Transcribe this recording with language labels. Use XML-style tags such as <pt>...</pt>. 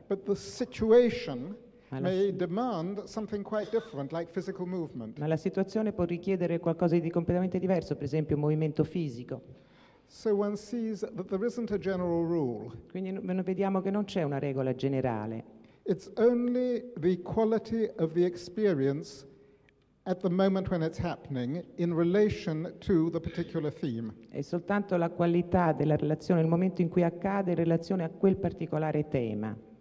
<en>but the situation may demand something quite different, like physical movement.</en> <it>Ma la situazione può richiedere qualcosa di completamente diverso, per esempio un movimento fisico.</it> <en>So one sees that there isn't a general rule.</en> <it>Quindi noi vediamo che non c'è una regola generale.</it> <en>It's only the quality of the experience at the moment when it's happening in relation to the particular theme.</en> <it>È soltanto la qualità della relazione, il momento in cui accade in relazione a quel particolare tema.</it>